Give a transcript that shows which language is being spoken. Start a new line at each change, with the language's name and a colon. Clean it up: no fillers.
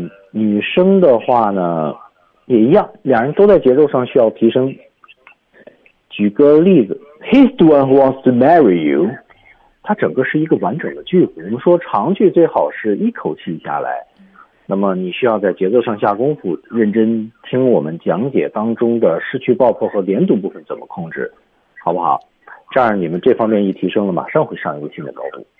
Chinese: 女生的话呢也一样，两人都在节奏上需要提升。举个例子，
English: He's the one who wants to marry you.
Chinese: 它整个是一个完整的句子。我们说长句最好是一口气下来。那么你需要在节奏上下功夫，认真听我们讲解当中的失去爆破和连读部分怎么控制，好不好？这样你们这方面一提升了，马上会上一个新的高度。